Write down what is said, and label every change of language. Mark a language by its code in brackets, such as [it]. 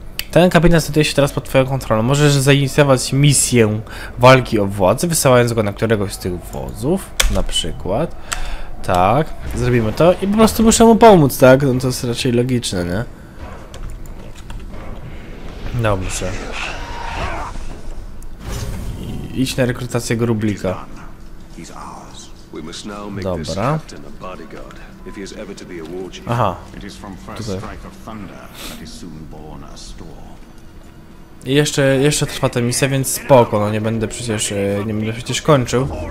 [pl] Ten kapitan znajduje się teraz pod twoją kontrolą. Możesz zainicjować misję walki o władzę, wysyłając go na któregoś z tych wozów, na przykład. Tak, zrobimy to i po prostu muszę mu pomóc, tak? No to jest raczej logiczne, nie? Dobrze. Idź na rekrutację Grublika. Dobra. [en] If he is ever to be a war chief, it is from first strike of thunder that is soon born a storm. [pl] I jeszcze trwa ta misja, więc spoko, no nie będę przecież kończył.